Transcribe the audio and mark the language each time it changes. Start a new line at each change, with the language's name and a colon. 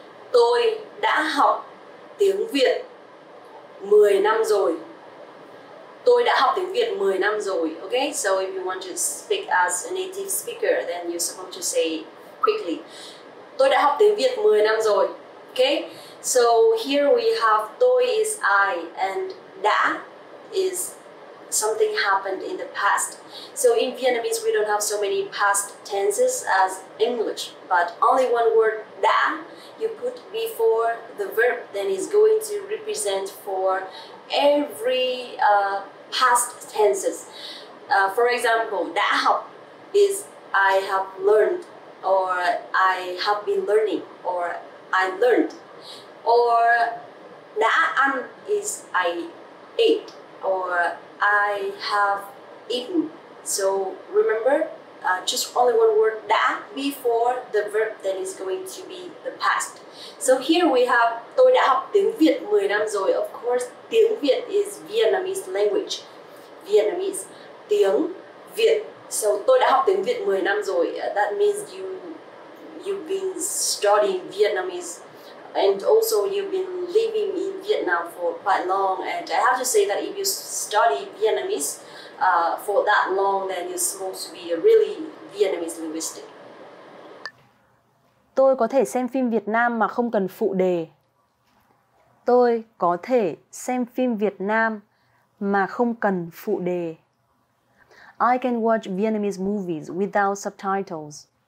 Vietnamese: Tôi đã học tiếng Việt 10 năm rồi. Tôi đã học tiếng Việt 10 năm rồi.
English: Okay, so if you want to speak as a native speaker, then you're supposed to say quickly.
Vietnamese: Tôi đã học tiếng Việt 10 năm rồi.
English: Okay? So here we have tôi is I and đã is something happened in the past. So in Vietnamese we don't have so many past tenses as English, but only one word đã you put before the verb then is going to represent for every past tenses. For example, đã học is I have learned or I have been learning or I learned. Or đã ăn is I ate or I have eaten. So remember, just only one word đã before the verb that is going to be the past. So here we have
Vietnamese: tôi đã học tiếng Việt 10 năm rồi.
English: Of course,
Vietnamese: tiếng Việt
English: is Vietnamese language.
Vietnamese: Vietnamese, tiếng Việt. So tôi đã học tiếng Việt 10 năm rồi.
English: That means you've been studying Vietnamese and also you've been living in Vietnam for quite long. And I have to say that if you study Vietnamese for that long, then you're supposed to be a really Vietnamese linguist.
Vietnamese: Tôi có thể xem phim Việt Nam mà không cần phụ đề. Tôi có thể xem phim Việt Nam mà không cần phụ đề.
English: I can watch Vietnamese movies without subtitles.